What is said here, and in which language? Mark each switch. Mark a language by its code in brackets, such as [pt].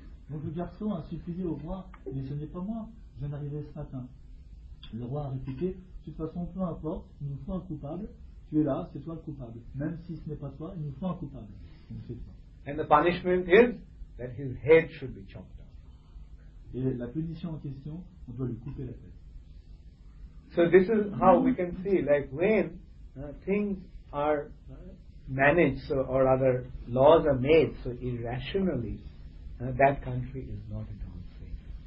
[fr] Donc le garçon a supplié au roi, mais ce n'est pas moi, je viens d'arriver ce matin. Le roi a répliqué, de toute façon, peu importe, il nous faut un coupable, tu es là, c'est toi le coupable. Même si ce n'est pas toi, il nous faut un coupable. Donc c'est toi. [en] And the punishment is that his head should be chopped off. [fr] Et la punition en question, on doit lui couper la tête. [en] So this is how we can see, like when things are managed, so, or other laws are made so irrationally, that country is not at all safe.